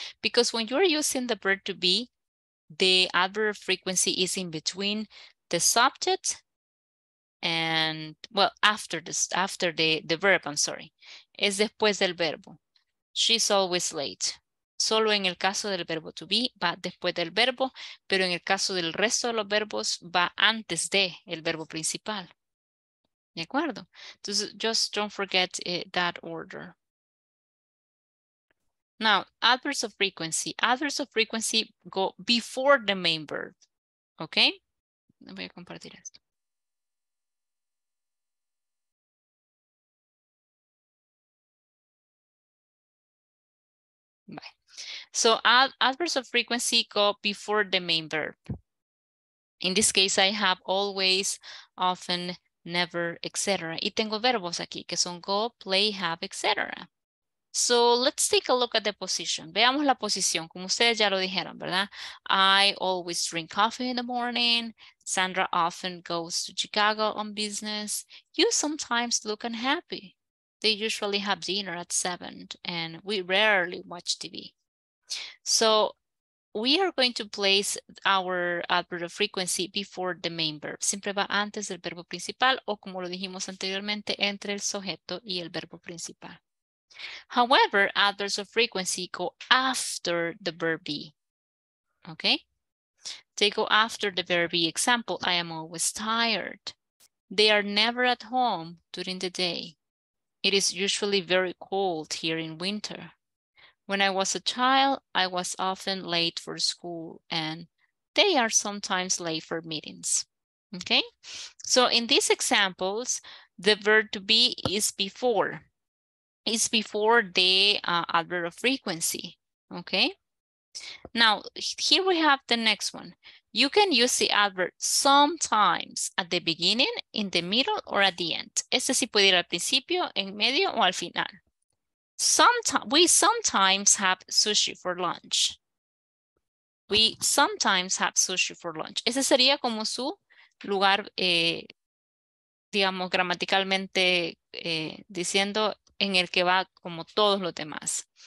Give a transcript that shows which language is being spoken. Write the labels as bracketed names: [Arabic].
[English] Because when you are using the verb to be, the adverb frequency is in between the subject and, well, after the verb. [Spanish] Es después del verbo. [English] She's always late. [Spanish] Solo en el caso del verbo to be va después del verbo, pero en el caso del resto de los verbos va antes de el verbo principal. ¿De acuerdo? Entonces, [English] just don't forget that order. Now, adverbs of frequency. Adverbs of frequency go before the main verb. Okay? [Spanish] Voy a compartir esto. [English] Bye. So, adverbs of frequency go before the main verb. In this case, I have always, often, never, etc. [Spanish] Y tengo verbos aquí que son go, play, have, etc. [English] So let's take a look at the position. [Spanish] Veamos la posición, como ustedes ya lo dijeron, ¿verdad? [English] I always drink coffee in the morning. Sandra often goes to Chicago on business. You sometimes look unhappy. They usually have dinner at 7 and we rarely watch TV. So we are going to place our adverb of frequency before the main verb. [Spanish] Siempre va antes del verbo principal o como lo dijimos anteriormente, entre el sujeto y el verbo principal. [English] However, adverbs of frequency go after the verb be. Okay? They go after the verb be. Example, I am always tired. They are never at home during the day. It is usually very cold here in winter. When I was a child, I was often late for school, and they are sometimes late for meetings. Okay? So in these examples, the verb to be is before. It's before the adverb of frequency, okay? Now, here we have the next one. You can use the adverb sometimes at the beginning, in the middle, or at the end. [Spanish] Este sí puede ir al principio, en medio, o al final. [English] We sometimes have sushi for lunch. We sometimes have sushi for lunch. [Spanish] Ese sería como su lugar, digamos, gramaticalmente diciendo, en el que va como todos los demás.